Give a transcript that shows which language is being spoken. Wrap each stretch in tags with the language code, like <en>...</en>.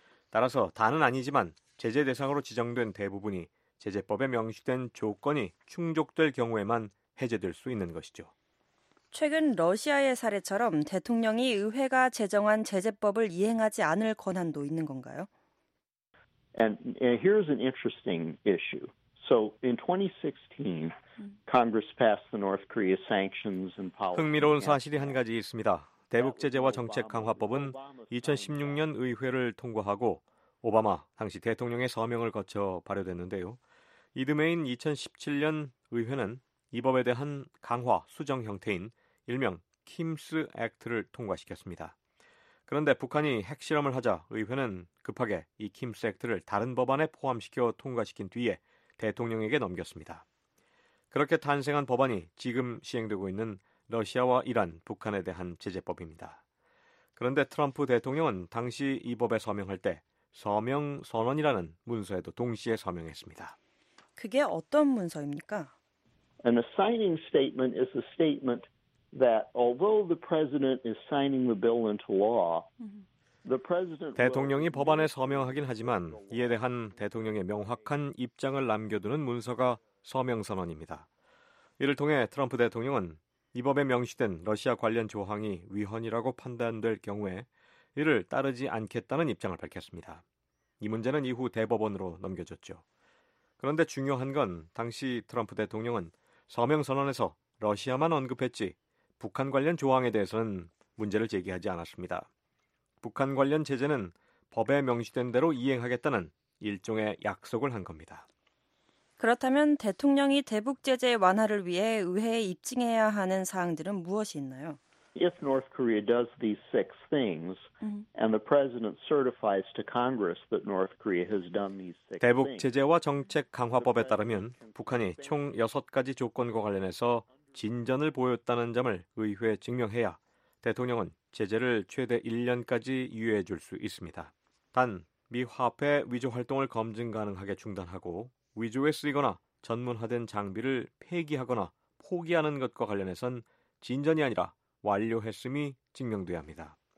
<ko>따라서 다는 아니지만 제재 대상으로 지정된 대부분이 제재법에 명시된 조건이 충족될 경우에만 해제될 수 있는 것이죠. 최근 러시아의 사례처럼 대통령이 의회가 제정한 제재법을 이행하지 않을 권한도 있는 건가요?</ko> <en>And here's an interesting issue. So in 2016, Congress passed the North Korea sanctions and policy.</en> <ko>흥미로운 사실이 한 가지 있습니다. 대북 제재와 정책 강화법은 2016년 의회를 통과하고 오바마 당시 대통령의 서명을 거쳐 발효됐는데요. 이듬해인 2017년 의회는 이 법에 대한 강화 수정 형태인 일명 킴스 액트를 통과시켰습니다. 그런데 북한이 핵실험을 하자 의회는 급하게 이 킴스 액트를 다른 법안에 포함시켜 통과시킨 뒤에 대통령에게 넘겼습니다. 그렇게 탄생한 법안이 지금 시행되고 있는 러시아와 이란, 북한에 대한 제재법입니다. 그런데 트럼프 대통령은 당시 이 법에 서명할 때 서명 선언이라는 문서에도 동시에 서명했습니다. 그게 어떤 문서입니까?</ko> <en>An signing statement is a statement that although the president is signing the bill into law, the president</en> <ko>대통령이 법안에 서명하긴 하지만 이에 대한 대통령의 명확한 입장을 남겨두는 문서가 서명 선언입니다. 이를 통해 트럼프 대통령은 이 법에 명시된 러시아 관련 조항이 위헌이라고 판단될 경우에 이를 따르지 않겠다는 입장을 밝혔습니다. 이 문제는 이후 대법원으로 넘겨졌죠. 그런데 중요한 건 당시 트럼프 대통령은 서명 선언에서 러시아만 언급했지 북한 관련 조항에 대해서는 문제를 제기하지 않았습니다. 북한 관련 제재는 법에 명시된 대로 이행하겠다는 일종의 약속을 한 겁니다. 그렇다면 대통령이 대북 제재 완화를 위해 의회에 입증해야 하는 사항들은 무엇이 있나요?</ko> <en>If North Korea does these six things and the president certifies to Congress that North Korea has done these six things.</en> <ko>대북 제재와 정책 강화법에 따르면 북한이 총 6가지 조건과 관련해서 진전을 보였다는 점을 의회에 증명해야 대통령은 제재를 최대 1년까지 유예해 줄 수 있습니다. 단, 미 화폐 위조 활동을 검증 가능하게 중단하고 위조에 쓰이거나 전문화된 장비를 폐기하거나 포기하는 것과 관련해선 진전이 아니라 완료했음이 증명돼야 합니다.</ko>